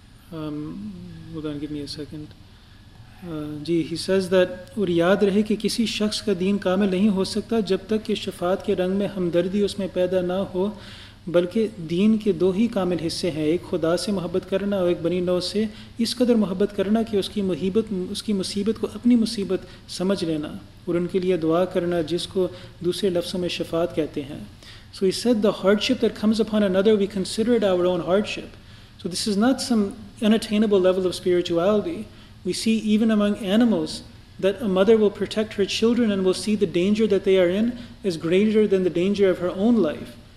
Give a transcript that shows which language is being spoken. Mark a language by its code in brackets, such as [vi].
[en] Hold on, give me a second. He says that [ur] اور یاد رہے کہ کسی شخص کا دین کامل نہیں ہو سکتا جب تک کے شفاعت کے رنگ میں ہمدردی اس میں پیدا نہ ہو, بلکہ دین کے دو ہی کامل حصے ہیں, ایک خدا سے محبت کرنا اور ایک بنی نو سے اس قدر محبت کرنا کہ اس کی مصیبت کو اپنی مصیبت سمجھ لینا اور ان کے لیے دعا کرنا, جس کو دوسرے لفظوں میں شفاعت کہتے ہیں. [en] So he said the hardship that comes upon another, we consider it our own hardship. So this is not some unattainable level of spirituality. We see even among animals that a mother will protect her children and will see the danger that they are in as greater than the danger of her own life.